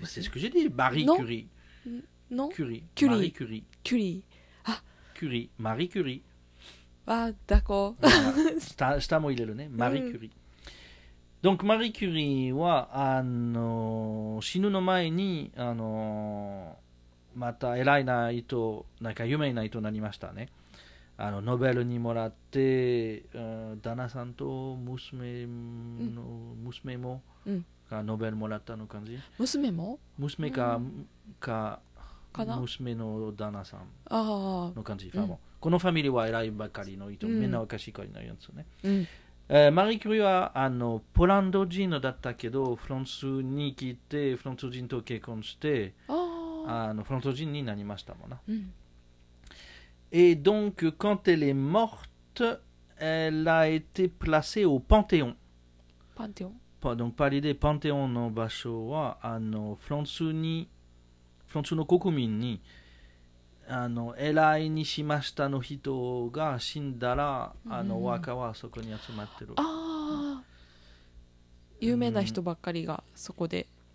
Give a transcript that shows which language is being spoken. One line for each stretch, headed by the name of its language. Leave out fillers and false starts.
French: c'est ce que j'ai dit、マリー・キュリー。
Japanese: の？キュリー。キュリー。マリー・キュリー。キュリー。あ、キュリー。マリー・キュリー。あ、だこ。下も入れるね。マリー・キュリー。うん、Donc Marie Curie は死ぬの前にまた偉いな人、なんか有名な人になりましたね。ノーベルにもらって、旦那さんと娘もがノーベルもらったの感じ。娘も？娘か、かかな、娘の旦那さんの感じ。あ、うん、このファミリーは偉いばかりの人、みんなおかしいかりのやつね。うん、マリー・キュリーはポーランド人だったけど、フランスに来てフランス人と結婚して、フランス人になりましたもんな。え、うん、
French: donc quand elle est morte, elle a été placée au Panthéon. Panthéon. Donc parler des Panthéon
Japanese: の場所はフランスの国民に偉いにしましたの人が死んだら、お墓はそこに集まってる。ああ、有名な人ばっかりがそこで。